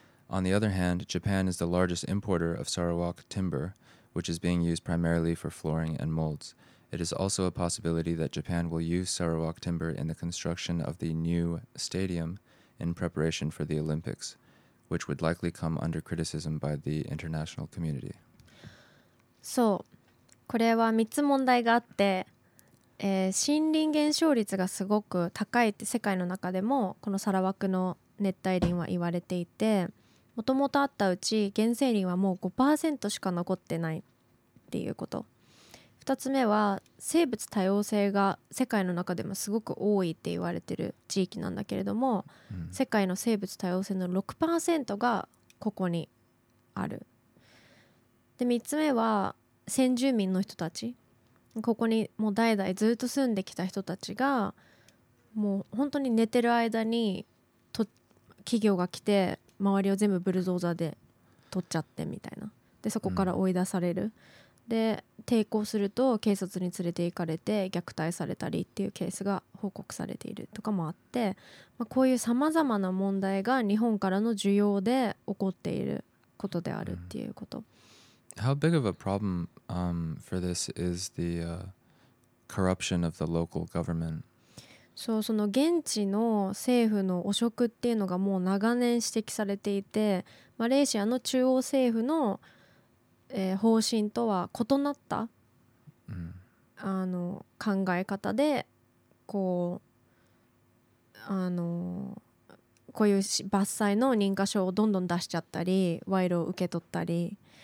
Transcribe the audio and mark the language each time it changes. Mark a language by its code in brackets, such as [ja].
[en] On the other hand, Japan is the largest importer of Sarawak timber, which is being used primarily for flooring and molds. It is also a possibility that Japan will use Sarawak timber in the construction of the new stadium in preparation for the Olympics, which would likely come under criticism by the international community. [ja] So,これは3つ問題があって、森林減少率がすごく高いって世界の中でもこのサラワクの熱帯林は言われていて、もともとあったうち原生林はもう 5% しか残ってないっていうこと。 2つ目は生物多様性が世界の中でもすごく多いって言われてる地域なんだけれども、うん、世界の生物多様性の 6% がここにある。で、3つ目は先住民の人たち、ここにもう代々ずっと住んできた人たちがもう本当に寝てる間にと企業が来て周りを全部ブルドーザーで取っちゃってみたいな。で、そこから追い出される、うん、で抵抗すると警察に連れて行かれて虐待されたりっていうケースが報告されているとかもあって、まあ、こういうさまざまな問題が日本からの需要で起こっていることであるっていうこと、うん。 [en] How big of a problem for this is the corruption of the local government? [ja] So, その現地の政府の汚職っていうのがもう長年指摘されていて、マレーシアの中央政府の、方針とは異なった、 mm. 考え方で、こう、こういう伐採の認可証をどんどん出しちゃったり、賄賂を受け取ったり。